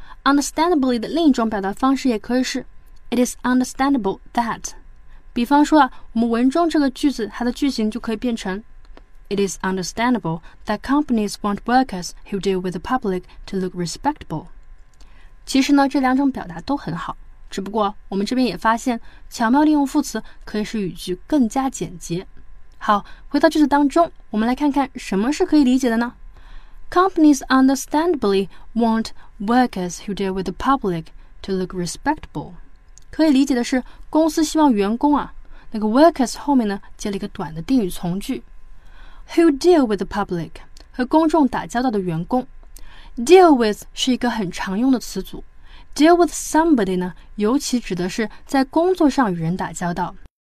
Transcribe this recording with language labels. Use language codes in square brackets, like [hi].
[en] understandably [zh] 的另一种表达方式也可以是 [en] it is understandable that, [zh] 比方说啊，我们文中这个句子它的句型就可以变成 [en] it is understandable that companies want workers who deal with the public to look respectable. [zh] 其实呢这两种表达都很好，只不过我们这边也发现巧妙利用副词可以使语句更加简洁。好，回到句子当中，我们来看看什么是可以理解的呢？ [en] Companies understandably want workers who deal with the public to look respectable. [zh] 可以理解的是公司希望员工啊，那个 workers 后面呢接了一个短的定语从句。 [en] Who deal with the public, [zh] 和公众打交道的员工。 Deal with 是一个很常用的词组，Deal with somebody 呢，尤其指的是在工作上与人打交道。